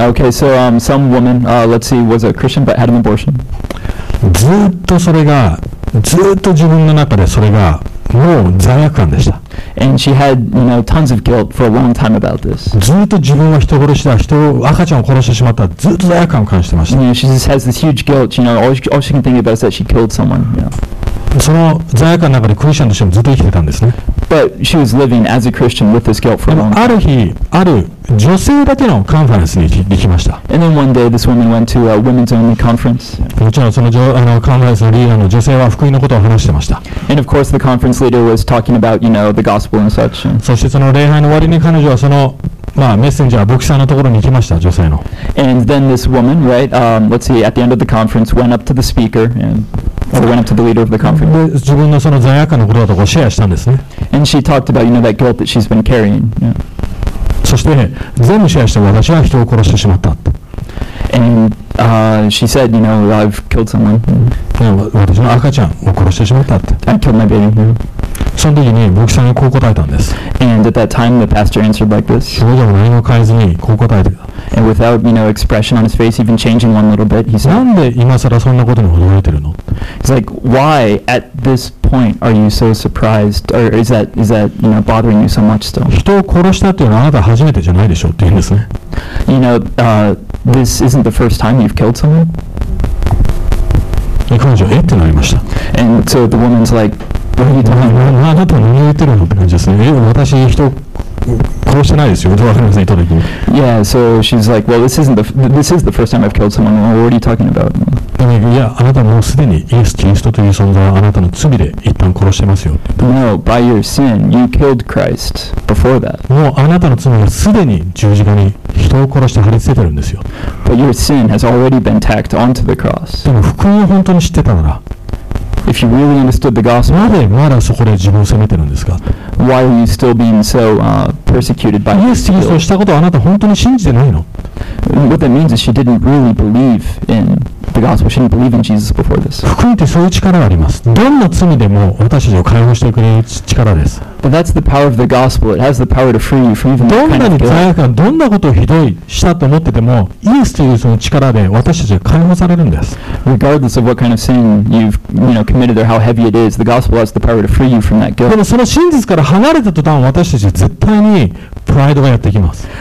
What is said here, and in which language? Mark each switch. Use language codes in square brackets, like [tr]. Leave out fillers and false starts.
[en] Okay, so, some woman, let's see, was a Christian but had an abortion. [ja] ずっとそれが、ずっと自分の中でそれが、もう罪悪感でした。 [en] And she had, you know, tons of guilt for a long time about this. [ja] ずっと自分は人殺しだ、人、赤ちゃんを殺してしまった、ずっと罪悪感を感じてました。 [en] You know, she just has this huge guilt, you know, all she can think about is that she killed someone, you know. [ja] その罪悪感の中でクリスチャンとしてもずっと生きてたんですね。 [en] But she was living as a Christian with this guilt for a long time. [ja] ある日、ある女性だけのカンファレンスに行きました。 [en] And then one day, this woman went to a women's only conference. [ja] もちろんその女、あのカンファレンスのリーダーの女性は福音のことを話してました。 [en] And of course, the conference leader was talking about, you know, the gospel and such. [ja] そしてその礼拝の終わりに彼女はそのまあ、メッセンジャー、牧師さんのところに行きました、女性の。 [en] And then this woman, right, let's see, at the end of the conference, went up to the speaker, or went up to the leader of the conference. [ja] で、自分のその罪悪感のことだとこうシェアしたんですね。 [en] And she talked about, you know, that guilt that she's been carrying. Yeah. [ja] そして、全部シェアして私は人を殺してしまったって。 [en] And, she said, you know, I've killed someone. [ja] いや、私の赤ちゃんを殺してしまったって。 [en] I killed my baby.、Mm-hmm. [ja] その時に牧師さんがこう答えたんです。 [en] And at that time, the pastor answered like this. [ja] 表情も何も変えずにこう答えてた。 [en] And without, you know, expression on his face, even changing one little bit, he said, [ja] なんで今更そんなことに驚いてるの? [en] He's like, why at this point are you so surprised, or is that, you know, bothering you so much still? [ja] 人を殺したっていうのはあなた初めてじゃないでしょうって言うんですね。 [en] You know, this isn't the first time you've killed someone. [ja] で、彼女はえってなりました。 [en] And so the woman's like, [ja] あなたは何言ってるのって感じですね。え、私人殺してないですよ。どうわかりません。言った時に。 [en] Yeah, so she's like, well, this is the first time I've killed someone. What are you talking about? [ja] いや、あなたもうすでにイエス・キリストという存在はあなたの罪で一旦殺してますよ。 [en] No, by your sin, you killed Christ before that. [ja] もうあなたの罪はすでに十字架に人を殺して貼り付けてるんですよ。 [en] But your sin has already been tacked onto the cross. [ja] でも福音を本当に知ってたなら。 [en] If you really understood the gospel, [ja] なぜまだそこで自分を責めてるんですか? [en] Why are you still being so, persecuted by Jesus? [ja] イエス・キリストをしたことをあなた本当に信じてないの? [en] What that means is she didn't really believe in the gospel. She didn't believe in Jesus before this. [ja] 福音ってそういう力があります。どんな罪でも私たちを解放してくれる力です。 [en] But that's the power of the gospel. It has the power to free you from even that kind of guilt. [ja] どんなに罪悪感、どんなことをひどいしたと思ってても、イエスというその力で私たちは解放されるんです。 [en] Regardless of what kind of sin you've, you know, committed or how heavy it is, the gospel has the power to free you from that guilt. [ja] でもその真実から離れた途端、私たちは絶対にプライドがやってきます。